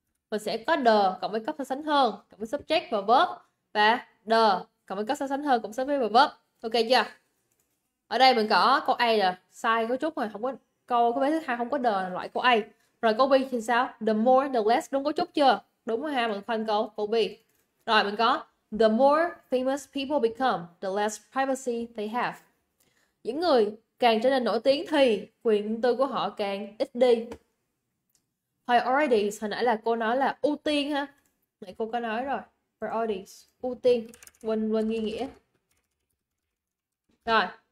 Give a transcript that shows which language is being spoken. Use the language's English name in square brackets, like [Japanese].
[Vietnamese] Mình sẽ có the cộng với cấp so sánh hơn cộng với subject và verb, và the cộng với cấp so sánh hơn cộng với subject và verb. Ok chưa? Ở đây mình có câu A là sai cấu trúc rồi, không có câu cái thứ hai không có the loại câu A. Rồi câu B thì sao? [English] The more the less [Vietnamese] đúng cấu trúc chưa? Đúng rồi ha, mình khoanh câu B. Rồi mình có [English] the more famous people become the less privacy they have. [Vietnamese] Những người càng trở nên nổi tiếng thì quyền tư của họ càng ít đi. Priorities, hồi nãy là cô nói là ưu tiên ha. Nãy cô có nói rồi. Priorities, ưu tiên. Quên quên nghi nghĩa. Rồi.